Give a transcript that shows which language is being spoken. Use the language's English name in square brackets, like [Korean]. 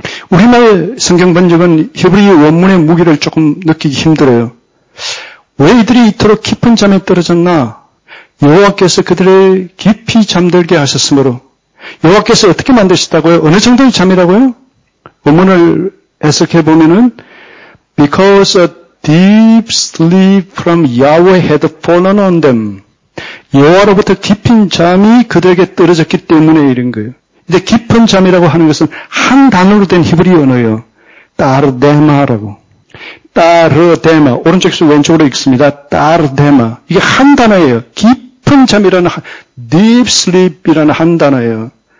[Korean] 우리말 성경 번역은 히브리 원문의 무게를 조금 느끼기 힘들어요. 왜 이들이 이토록 깊은 잠에 떨어졌나? 여호와께서 그들을 깊이 잠들게 하셨으므로. 여호와께서 어떻게 만드셨다고요? 어느 정도의 잠이라고요? 원문을 해석해 보면은 [English] Because a deep sleep from Yahweh had fallen on them. [Korean] 여호와로부터 깊은 잠이 그들에게 떨어졌기 때문에 이런 거예요. 이제 깊은 잠이라고 하는 것은 한 단어로 된 히브리 언어예요. 따르데마라고. 따르데마. 오른쪽에서 왼쪽으로 읽습니다. 따르데마. 이게 한 단어예요. 깊은 잠이라는, [English] deep sleep [Korean] 이라는 한 단어예요.